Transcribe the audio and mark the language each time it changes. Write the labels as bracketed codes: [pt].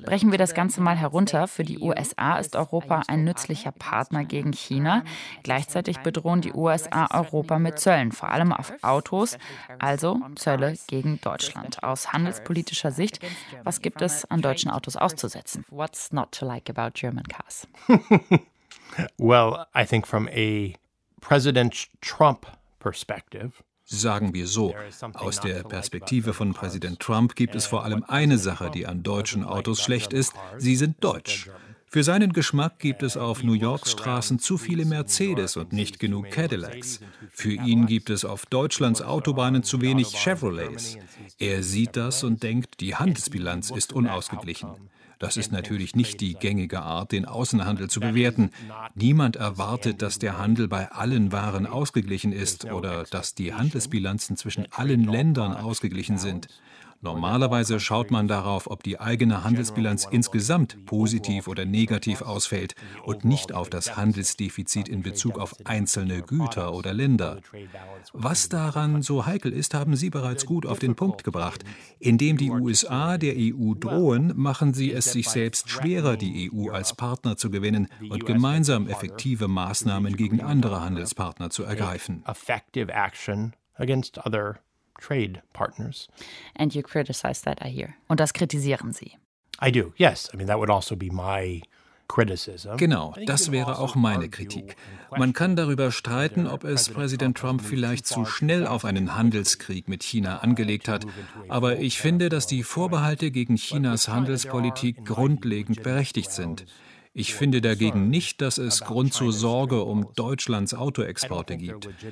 [de] Brechen wir das Ganze mal herunter. Für die USA ist Europa ein nützlicher Partner gegen China. Gleichzeitig bedrohen die USA Europa mit Zöllen, vor allem auf Autos, also Zölle gegen Deutschland. Aus handelspolitischer Sicht, was gibt es an deutschen Autos auszusetzen? [en] What's not to like about German cars? Well, I think from a President Trump perspective. [de] Sagen wir so, aus der Perspektive von Präsident Trump gibt es vor allem eine Sache, die an deutschen Autos schlecht ist. Sie sind deutsch. Für seinen Geschmack gibt es auf New Yorks Straßen zu viele Mercedes und nicht genug Cadillacs. Für ihn gibt es auf Deutschlands Autobahnen zu wenig Chevrolets. Er sieht das und denkt, die Handelsbilanz ist unausgeglichen. Das ist natürlich nicht die gängige Art, den Außenhandel zu bewerten. Niemand erwartet, dass der Handel bei allen Waren ausgeglichen ist oder dass die Handelsbilanzen zwischen allen Ländern ausgeglichen sind. Normalerweise schaut man darauf, ob die eigene Handelsbilanz insgesamt positiv oder negativ ausfällt und nicht auf das Handelsdefizit in Bezug auf einzelne Güter oder Länder. Was daran so heikel ist, haben Sie bereits gut auf den Punkt gebracht. Indem die USA der EU drohen, machen sie es sich selbst schwerer, die EU als Partner zu gewinnen und gemeinsam effektive Maßnahmen gegen andere Handelspartner zu ergreifen. [en] Effective action against other trade partners. And you criticize that, I hear. [de] Und das kritisieren Sie. [en] I do, yes. I mean, that would also be my criticism. [de] Genau, das wäre auch meine Kritik. Man kann darüber streiten, ob es Präsident Trump vielleicht zu schnell auf einen Handelskrieg mit China angelegt hat. Aber ich finde, dass die Vorbehalte gegen Chinas Handelspolitik grundlegend berechtigt sind. Ich finde dagegen nicht, dass es Grund zur Sorge um Deutschlands Autoexporte gibt.